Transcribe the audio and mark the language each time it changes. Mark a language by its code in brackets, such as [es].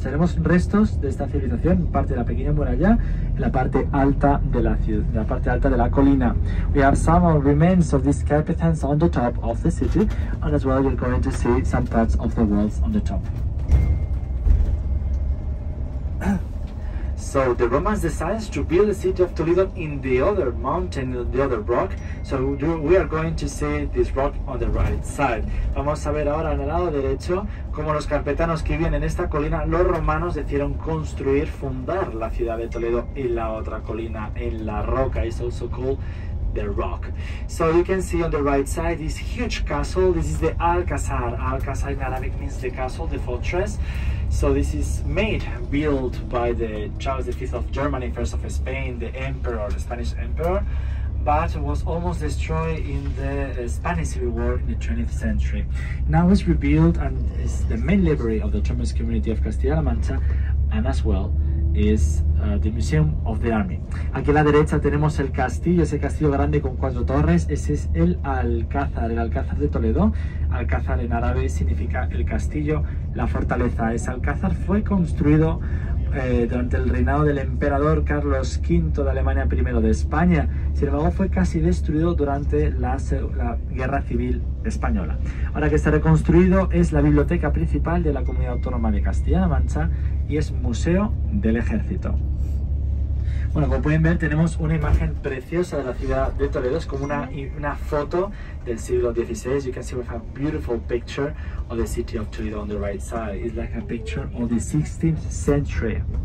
[es] Tenemos restos de esta civilización, parte de la pequeña muralla, en la parte alta de la ciudad, en la parte alta de la colina. [en] We have some remains of these Carpathians on the top of the city, and as well you're going to see some parts of the walls on the top. So the Romans decided to build the city of Toledo in the other mountain, in the other rock. So we are going to see this rock on the right side. [es] Vamos a ver ahora en el lado derecho cómo los carpetanos que viven en esta colina, los romanos decidieron construir, fundar la ciudad de Toledo en la otra colina, en la roca. [en] It's also called the rock. So you can see on the right side this huge castle. This is the Alcázar. Alcázar in Arabic means the castle, the fortress. So this is made, built by the Charles V of Germany, first of Spain, the emperor, the Spanish emperor, but was almost destroyed in the Spanish Civil War in the 20th century. Now it's rebuilt and is the main library of the autonomous community of Castilla-La Mancha, and as well is the Museum of the Army. [es] Aquí a la derecha tenemos el castillo, ese castillo grande con cuatro torres. Ese es el Alcázar de Toledo. Alcázar en árabe significa el castillo, la fortaleza. Ese Alcázar fue construido durante el reinado del emperador Carlos V de Alemania I de España. Sin embargo, fue casi destruido durante la Guerra Civil Española. Ahora que está reconstruido, es la biblioteca principal de la Comunidad Autónoma de Castilla-La Mancha y es Museo del Ejército. Bueno, como pueden ver, tenemos una imagen preciosa de la ciudad de Toledo. Es como una foto del siglo XVI. [en] You can see we have a beautiful picture of the city of Toledo on the right side. It's like a picture of the 16th century.